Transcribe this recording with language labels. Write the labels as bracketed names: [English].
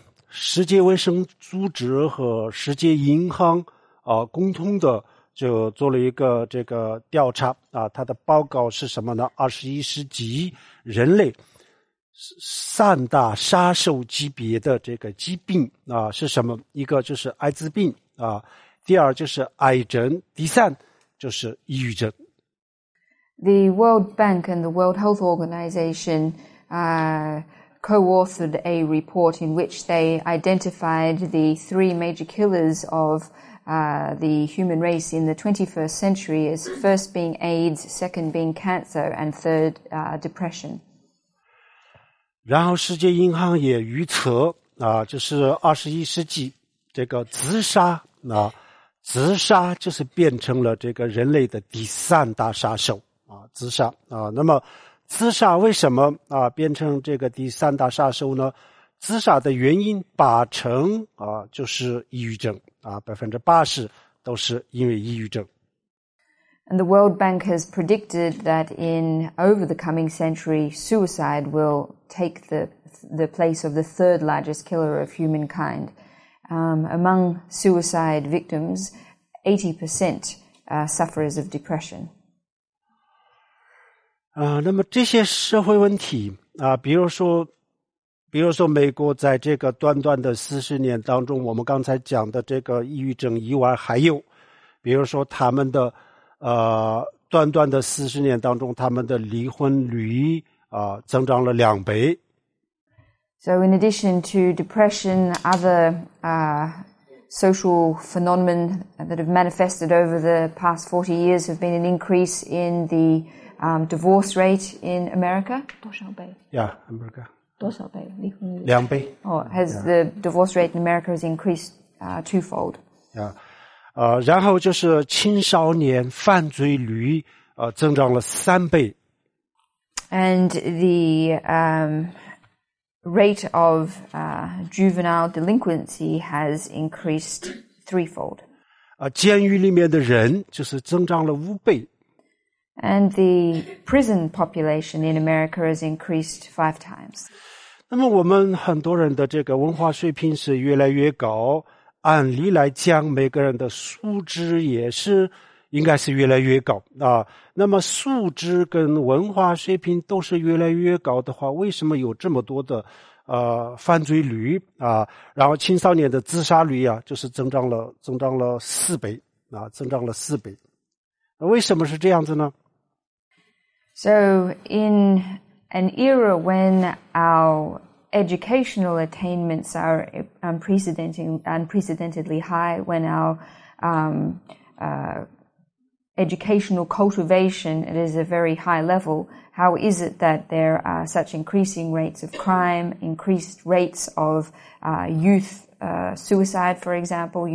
[Chinese] 世界卫生组织和世界银行共同的就做了一个这个调查啊，它的报告是什么呢？ 21世纪人类三大杀手级别的这个疾病啊是什么？一个就是艾滋病啊，第二就是癌症，第三就是抑郁症。 [English] The World Bank and the World Health Organization co-authored a report in which they identified the three major killers of the human race in the 21st century as first being AIDS, second being cancer, and third depression. [Chinese] 然后世界银行也预测啊，就是21世纪这个自杀啊，自杀就是变成了这个人类的第三大杀手啊，自杀啊。那么自杀为什么啊变成这个第三大杀手呢？自杀的原因80%啊就是抑郁症啊，80%都是因为抑郁症。 [English] And the World Bank has predicted that in over the coming century, suicide will take the place of the third largest killer of humankind. Among suicide victims, 80% are sufferers of depression. [Chinese] 那么这些社会问题啊，比如说美国在这个短短的40年当中，我们刚才讲的这个抑郁症以外，还有比如说他们的短短的40年当中，他们的离婚率增长了2倍。 [English] So in addition to depression, other social phenomena that have manifested over the past 40 years have been an increase in the divorce rate in America. [Chinese] 多少倍 [English] ？Yeah, America. [Chinese] 多少倍？离婚率？两倍。 [English] Oh, has the divorce rate in America has increased twofold? Yeah. [Chinese] 然后就是青少年犯�罪率增长了3倍。 [English] And the rate of juvenile delinquency has increased threefold. [Chinese] 监狱里面的人就是增长了5倍。 [English] And the prison population in America has increased 5 times. [Chinese] 那么我们很多人的这个文化水平是越来越高。按理来讲，每个人的素质也是应该是越来越高啊。那么，素质跟文化水平都是越来越高的话，为什么有这么多的犯罪率啊？然后青少年的自杀率啊，就是增长了4倍啊，增长了4倍。那为什么是这样子呢 [English] ？So in an era when our educational attainments are unprecedentedly high, when our educational cultivation is a very high level, how is it that there are such increasing rates of crime, increased rates of youth suicide, for example?